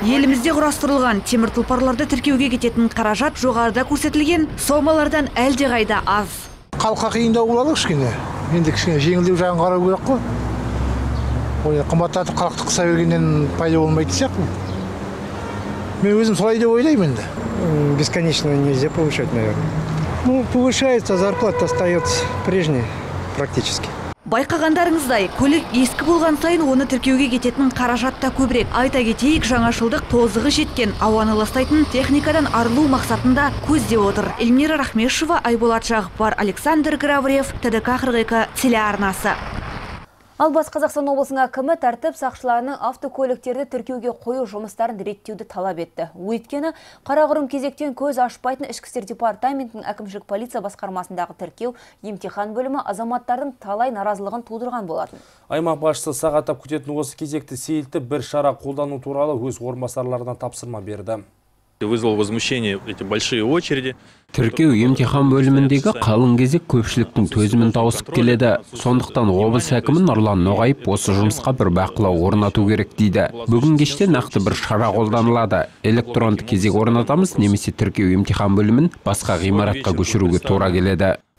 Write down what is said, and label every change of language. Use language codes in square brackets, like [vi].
[kk] Елімізде құрастырылған темір тұлпарларды тіркеуге кететін қаражат жоғарыда көрсетілген сомалардан әлдеқайда аз. Халыққа қиындау болады кішкене. Енді кішкене жеңілдеу жағын қарау керек қой. Ой, қымбаттатып халықты қыса бергеннен пайда болмайтын сияқты. Мен өзім солай деп ойлаймын енді. [ru] Бесконечно нельзя повышать, наверное. Ну, повышается, зарплата остается прежней практически. [kk] Байқағандарыңыздай, көлік ескі болған сайын оны тіркеуге кететін қаражатта көбірек. Айта кетейік, жаңашылдық тозығы жеткен, ауаны ластайтын техникадан арылу мақсатында көздеп отыр. Эльмира Рахмешова, Айболат Жағыпбар, Александр Гравриев, ТДК 42 телеарнасы. Ал Батыс Қазақстан облысының әкімі тәртіп сақшыларының автокөліктерді тіркеуге қою жұмыстарын реттеуді талап етті. Өйткені қарағұрым кезектен көз ашпайтын ішкі істер департаментінің әкімшілік полиция басқармасындағы тіркеу емтихан бөлімі азаматтардың талай наразылығын тудырған болатын. Аймақ басшысы сағаттап күтетін осы кезекті сейілті бір шара қолдану туралы өз орынбасарларына тапсырма берді. [ru] Вызвал возмущение эти большие очереди. [kk] Тіркеу емтихан бөліміндегі қалың кезек көпшіліктің төзімін тауысып келеді. Сондықтан облыс әкімі Нұрлан Ноғаев осы жұмысқа бір бақылау орнату керек дейді. Бүгін кеште нақты бір шара қолданылады. Электронды кезек орнатамыз, немесе тіркеу емтихан бөлімін басқа ғимаратқа көшіруге тура келеді.